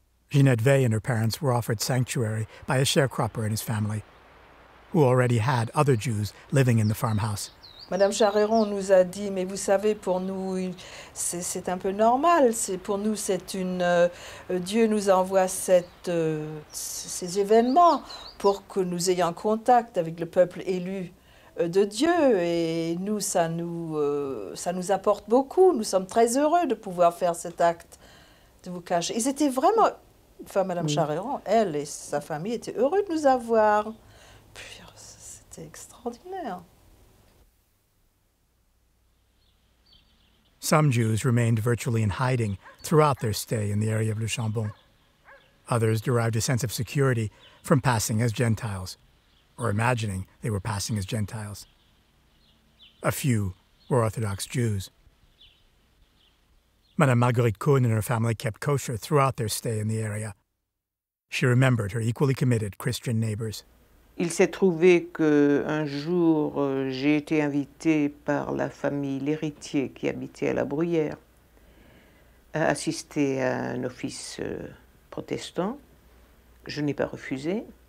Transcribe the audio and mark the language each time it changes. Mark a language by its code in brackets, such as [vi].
[en] Ginette Veil and her parents were offered sanctuary by a sharecropper and his family, who already had other Jews living in the farmhouse. [fr] Madame Charéron nous a dit, mais vous savez, pour nous, c'est un peu normal. Pour nous, c'est une... Dieu nous envoie ces événements pour que nous ayons contact avec le peuple élu de Dieu. Et nous, ça nous apporte beaucoup. Nous sommes très heureux de pouvoir faire cet acte de vous cacher. Ils étaient vraiment... Enfin, Madame Charéron, elle et sa famille étaient heureux de nous avoir. Puis, c'était extraordinaire. [en] Some Jews remained virtually in hiding throughout their stay in the area of Le Chambon. Others derived a sense of security from passing as Gentiles, or imagining they were passing as Gentiles. A few were Orthodox Jews. Madame Marguerite Kuhn and her family kept kosher throughout their stay in the area. She remembered her equally committed Christian neighbors. [fr] Il s'est trouvé que un jour j'ai été invitée par la famille L'Héritier qui habitait à La Bruyère à assister à un office protestant. Je n'ai pas refusé.